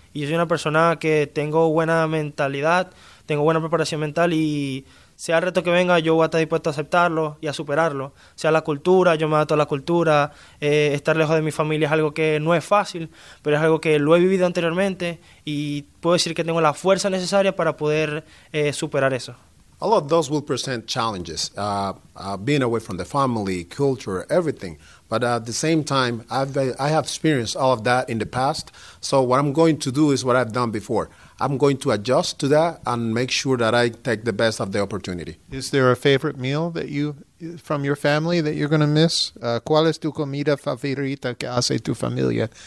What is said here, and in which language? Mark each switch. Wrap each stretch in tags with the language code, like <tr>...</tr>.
<es>Y yo soy una persona que tengo buena mentalidad, tengo buena preparación mental y sea el reto que venga, yo voy a estar dispuesto a aceptarlo y a superarlo. Sea la cultura, yo me adapto a la cultura. Estar lejos de mi familia es algo que no es fácil, pero es algo que lo he vivido anteriormente y puedo decir que tengo la fuerza necesaria para poder superar eso.</es> <en>A lot of those will present challenges, being away from the family, culture, everything. But at the same time, I have experienced all of that in the past. So what I'm going to do is what I've done before. I'm going to adjust to that and make sure that I take the best of the opportunity. Is there a favorite meal that you from your family that you're going to miss?</en> <es>¿Cuál es tu comida favorita que hace tu familia?</es>